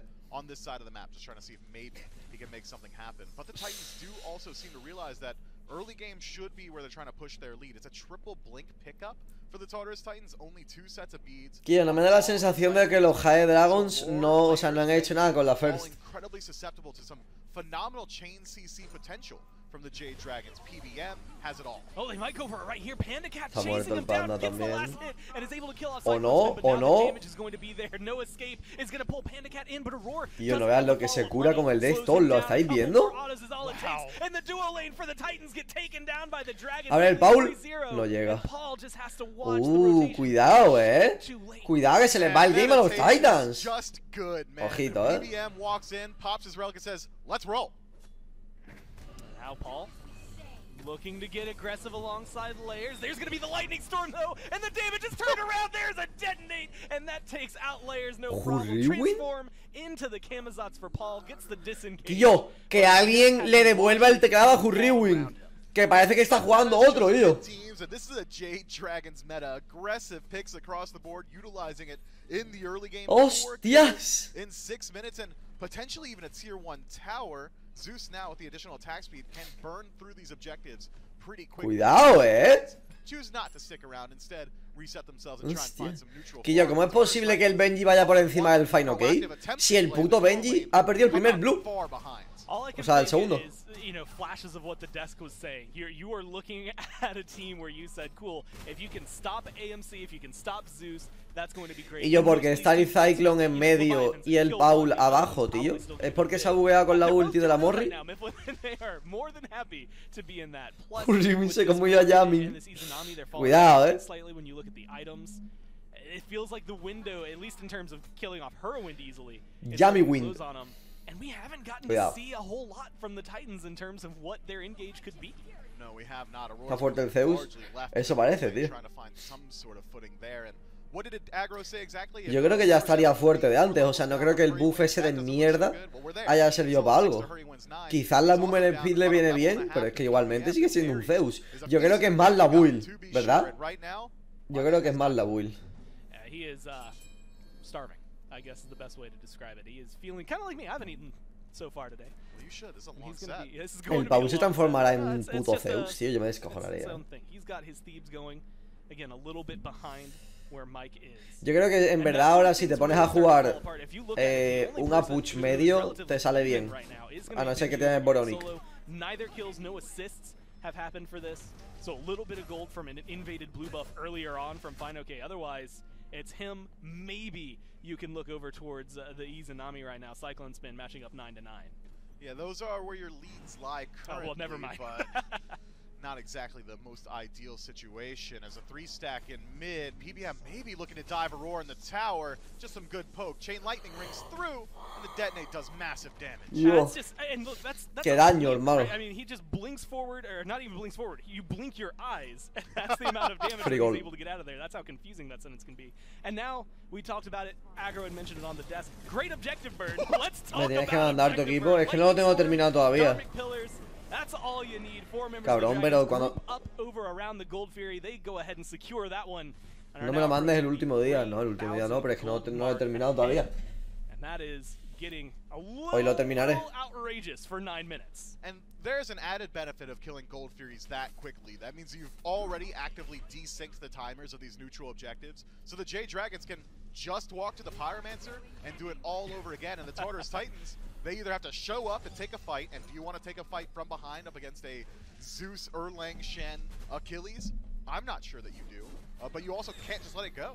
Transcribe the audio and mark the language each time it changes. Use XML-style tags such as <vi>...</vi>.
<en>On this side of the map, just trying to see if maybe he can make something happen. But the Titans do also seem to realize that early game should be where they're trying to push their lead. It's a triple blink pickup for the Tartarus Titans, only two sets of beads.</en> <es>Kyo, no me da la sensación de que los Jade Dragons no, o sea, no han hecho nada con la first.</es> <en>Incredibly susceptible to some phenomenal chain CC potential from the Jade Dragons. PBM has it all. Oh, they might go for it right here. Panda Cat chasing them down, gets the last hit, and is able to kill off Cyclone. Oh, no, oh, no. The damage is going to be there. No escape. It's going to pull Panda Cat in, but Aurora doesn't know</en> <es>lo que se cura con el death toll. ¿Lo estáis viendo?</es> <en>Wow. And the duo lane for the Titans get taken down by the Dragon.</en> <es>A ver, Paul no llega.</es> <en>Paul just has to watch</en> <es>cuidado, eh. Cuidado que se les va el game a los Titans.</es> <en>Just good, man.</en> <es>Ojito, eh.</es> <en>PBM walks in, pops his relic and says, let's roll. Now Paul, looking to get aggressive alongside Layers. There's going to be the lightning storm though, and the damage is turned around. There's a detonate, and that takes out Layers. No problem. Transform into the Camazotz for Paul. Gets the disengage.</en> <es>Tío, que alguien le devuelva el teclado a Hurrywind, que parece que está jugando otro, tío.</es> <en>And this is a Jade Dragons meta. Aggressive picks across the board, utilizing it in the early game.</en> <es>Hostias.</es> <en>In 6 minutes and potentially even a tier 1 tower. Zeus now with the additional attack speed can burn through these objectives pretty quickly.</en> <es>Cuidado, eh.</es> <en>Choose not to stick around, instead reset themselves and try and find some neutral.</en> <es>Quillo, ¿cómo es posible que el Benji vaya por encima del Final Gate? Si el puto Benji ha perdido el primer blue. O sea, el segundo.</es> <en>You know, flashes of what the desk was saying. You are looking at a team where you said, cool, if you can stop AMC, if you can stop Zeus, that's going to be great.</en> <es>Y yo, porque está el Cyclone en medio y el Paul abajo, tío. Es porque se ha bugueado con la ulti de la Morri. Jurimise, como yo a Yami. Cuidado, eh.</es> <en>It feels like the window, at least in terms of killing off Hurrywind easily. Yami Wind. And we haven't gotten to see a whole lot from the Titans in terms of what their engage could be. No, we have not.</en> <es>Está fuerte el Zeus. Eso parece, tío.</es> <en>Trying to find some sort of footing there, and What did aggro say exactly?</en> <es>Yo creo que ya estaría fuerte de antes, o sea, no creo que el buff ese de mierda haya servido para algo. Quizás la Movement Speed le viene bien, pero es que igualmente sigue siendo un Zeus. Yo creo que es más la build, ¿verdad? Yo creo que es más la build.</es> <en>He is starving, I guess is the best way to describe it. He is feeling kind of like me. I haven't eaten so far today. Well, you should. It's a long set.</en> <es>El Pau se transformará en puto Zeus, tío. Yo me descojonaría.</es> <en>He's got his Thebes going, again, a little bit behind.</en> <es>Yo creo que en verdad ahora si te pones a jugar un Apuch medio, te sale bien. A no ser que tienes Boronic.</es> <en>Neither kills, no assists have happened for this. So a little bit of gold from an invaded blue buff earlier on from Fineok. Otherwise, it's him. Maybe you can look over towards the Izanami right now. Cyclone Spin matching up 9-9. Yeah, those are where your leads lie currently. Oh, well, never mind. But... not exactly the most ideal situation as a three stack in mid. PBM maybe looking to dive Aurora in the tower. Just some good poke. Chain lightning rings through, and the detonate does massive damage. Yeah, that's just, and look, that's</en> <es>qué daño, hermano.</es> <en>I mean, he just blinks forward, or not even blinks forward. You blink your eyes, and that's the amount of damage that he's able to get out of there. That's how confusing that sentence can be. And now we talked about it. Aggro had mentioned it on the desk. Great objective bird. Let's talk about it.</en> <es>Me tienes que mandar tu equipo. Es que no lo tengo terminado todavía.</es> <en>That's all you need. Four members</en> <es>cabrón, pero cuando</es> <en>up over around the gold fury, they go ahead and secure that one.</en> <es>No me lo mandes el último día, no, el último día no, pero es que no, no lo he terminado todavía.</es> <en>And that is getting a little,</en> <es>hoy lo terminaré.</es> <en>Outrageous for 9 minutes. And there's an added benefit of killing gold furies that quickly. That means you've already actively desynced the timers of these neutral objectives, so the J Dragons can just walk to the Pyromancer and do it all over again, and the Tartarus Titans. They either have to show up and take a fight, and if you want to take a fight from behind up against a Zeus, Erlang, Shen, Achilles, I'm not sure that you do, but you also can't just let it go.</en>